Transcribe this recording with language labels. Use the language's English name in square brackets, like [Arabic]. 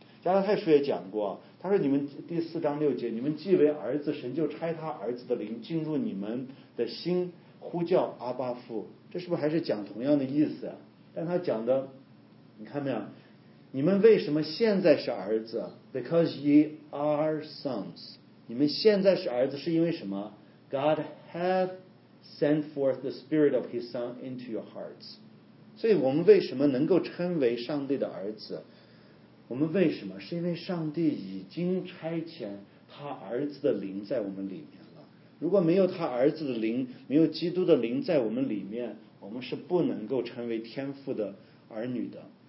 [Chinese] 加拉太书也讲过，他说你们4章6节，你们既为儿子，神就差他儿子的灵进入你们的心，呼叫阿爸父。这是不是还是讲同样的意思啊？但他讲的你看没有，你们为什么现在是儿子？ [English] Because ye are sons. [Chinese] 你们现在是儿子是因为什么？ [English] God hath sent forth the spirit of his son into your hearts. [Chinese] 所以我们为什么能够称为上帝的儿子？我们为什么？是因为上帝已经差遣他儿子的灵在我们里面了。如果没有他儿子的灵，没有基督的灵在我们里面，我们是不能够成为天父的儿女的。